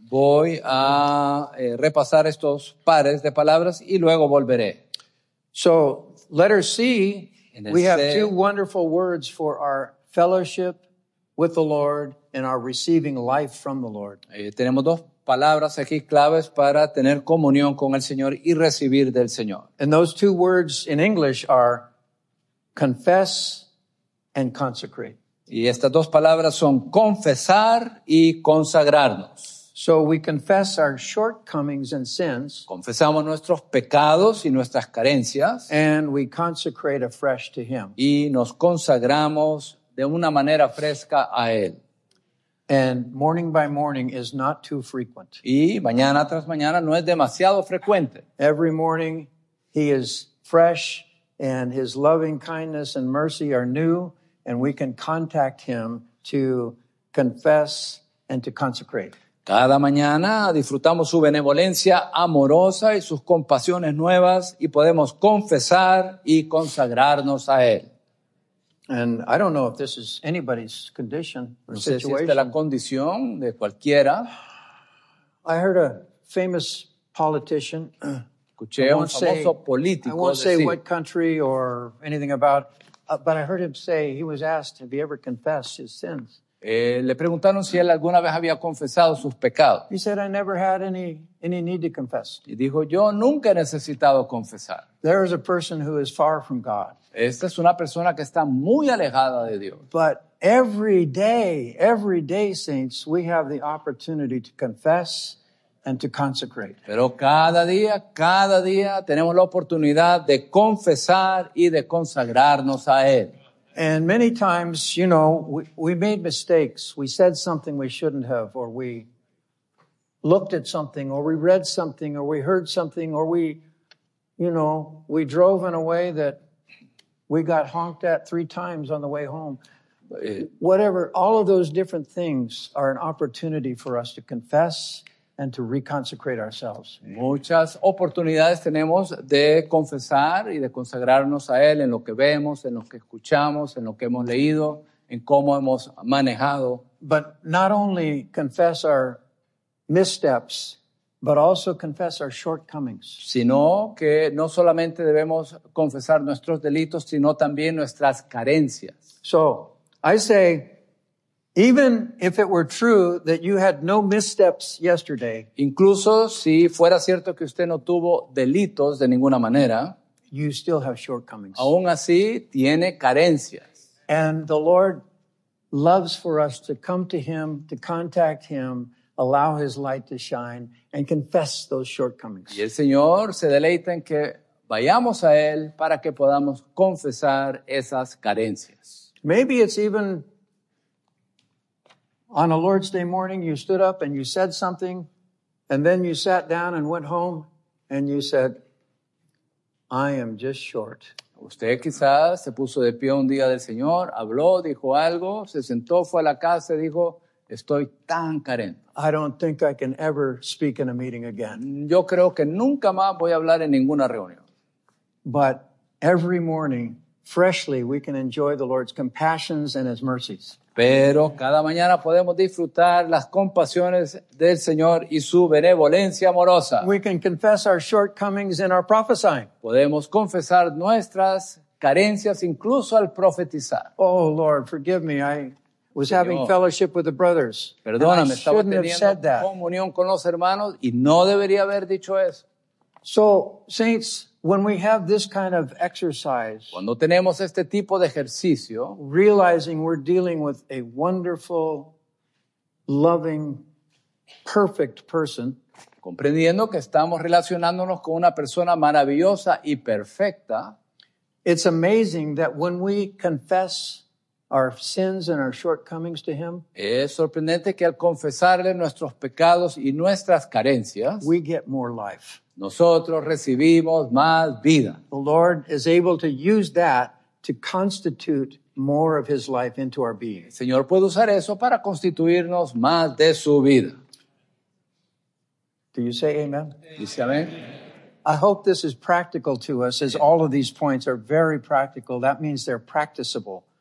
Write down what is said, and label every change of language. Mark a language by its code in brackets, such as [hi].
[es] Voy a repasar estos pares de palabras y luego volveré. [en] So, letter C, we have two wonderful words for our fellowship with the Lord and our receiving life from the Lord. [es] Tenemos dos palabras aquí claves para tener comunión con el Señor y recibir del Señor. [en] And those two words in English are confess and consecrate. [es] Y estas dos palabras son confesar y consagrarnos. [en] So we confess our shortcomings and sins. [es] Confesamos nuestros pecados y nuestras carencias. [en] And we consecrate afresh to Him. [es] Y nos consagramos de una manera fresca a Él. [en] And morning by morning is not too frequent. [es] Y mañana tras mañana no es demasiado frecuente. [en] Every morning He is fresh and His loving kindness and mercy are new and we can contact Him to confess and to consecrate. [es] Cada mañana disfrutamos su benevolencia amorosa y sus compasiones nuevas y podemos confesar y consagrarnos a Él. [en] And I don't know if this is anybody's condition or [es] no sé [en] situation. [es] Si esta es la condición de cualquiera. [en] I heard a famous politician. [es] Escuché a un famoso político decir. [en] I won't say what country or anything about, but I heard him say he was asked, have you ever confessed his sins? [es] Le preguntaron si él alguna vez había confesado sus pecados. [en] He said, I never had any need to confess. [es] Y dijo, yo nunca he necesitado confesar. [en] There is a person who is far from God. [es] Esta es una persona que está muy alejada de Dios. [en] But every day, saints, we have the opportunity to confess and to consecrate. [es] Pero cada día tenemos la oportunidad de confesar y de consagrarnos a Él. [en] And many times, you know, we made mistakes. We said something we shouldn't have, or we looked at something, or we read something, or we heard something, or we, you know, we drove in a way that we got honked at 3 times on the way home. Whatever, all of those different things are an opportunity for us to confess and to reconsecrate ourselves. [es] Muchas oportunidades tenemos de confesar y de consagrarnos a Él en lo que vemos, en lo que escuchamos, en lo que hemos leído, en cómo hemos manejado. [en] But not only confess our missteps, but also confess our shortcomings. [es] Sino que no solamente debemos confesar nuestros delitos, sino también nuestras carencias. [en] So, I say, even if it were true that you had no missteps yesterday, [es] incluso si fuera cierto que usted no tuvo delitos de ninguna manera, [en] you still have shortcomings. [es] Aún así, tiene carencias. [en] And the Lord loves for us to come to Him, to contact Him, allow His light to shine, and confess those shortcomings. [es] Y el Señor se deleita en que vayamos a Él para que podamos confesar esas carencias. [en] Maybe it's even on a Lord's Day morning, you stood up and you said something, and then you sat down and went home, and you said, I am just short. [es] Usted quizás se puso de pie un día del Señor, habló, dijo algo, se sentó, fue a la casa y dijo, estoy tan carente. [en] I don't think I can ever speak in a meeting again. [es] Yo creo que nunca más voy a hablar en ninguna reunión. [en] But every morning, freshly, we can enjoy the Lord's compassions and His mercies. [es] Pero cada mañana podemos disfrutar las compasiones del Señor y su benevolencia amorosa. [en] We can confess our shortcomings in our prophesying. [es] Podemos confesar nuestras carencias incluso al profetizar. [en] Oh, Lord, forgive me. I was [es] Señor, [en] having fellowship with the brothers. [es] Perdóname, [en] and I shouldn't [es] estaba teniendo [en] have said that. [es] Comunión con los hermanos y no debería haber dicho eso. [en] So, saints, when we have this kind of exercise, [es] cuando tenemos este tipo de ejercicio, [en] realizing we're dealing with a wonderful, loving, perfect person, [es] comprendiendo que estamos relacionándonos con una persona maravillosa y perfecta, [en] it's amazing that when we confess our sins and our shortcomings to Him, [es] es sorprendente que al confesarle nuestros pecados y nuestras carencias, [en] we get more life. [es] Nosotros recibimos más vida. [en] The Lord is able to use that to constitute more of His life into our being. [es] El Señor puede usar eso para constituirnos más de su vida. [en] Do you say amen? [es] Dice amén. [en] I hope this is practical to us, as all of these points are very practical. That means they're practicable.